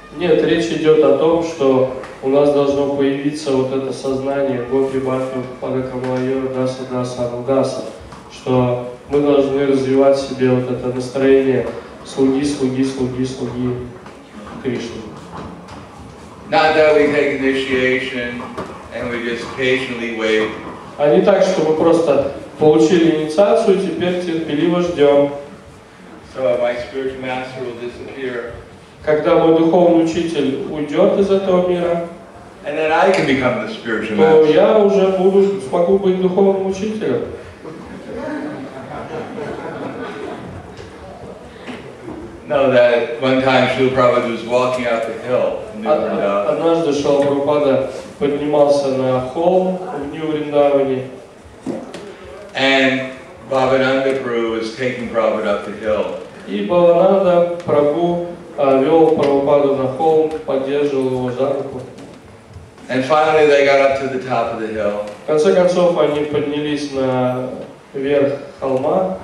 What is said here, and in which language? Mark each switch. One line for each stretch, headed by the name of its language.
Russian: Нет, речь идет о том, что у нас должно появиться вот это сознание
Sanskrit: Гопи Бхакти Пада Камалайор Даса Даса Анудаса,
Russian: что мы должны развивать в себе вот это настроение слуги, слуги, слуги, слуги Кришны.
English: Not that we take initiation and we just patiently wait.
Russian: А не так, что мы просто получили инициацию, теперь терпеливо ждем.
English: My spiritual master will disappear.
Russian: Когда мой духовный учитель уйдет из этого мира,
English: and then I can become the spiritual
Russian: то
English: master.
Russian: Я уже буду, смогу быть духовным учителем.
English: No, that one time Śrīla Prabhupāda was walking up the hill.
Russian: Однажды Śrīla Prabhupāda поднимался на холм в Нью-Вриндаване.
English: And Bhavananda Prabhu was taking Prabhupada up the hill.
Russian: И Бхавананда Прабху вел Прабхупаду на холм, поддерживал его за руку.
English: And finally they got up to the top of the hill.
Russian: В конце концов они поднялись на верх холма.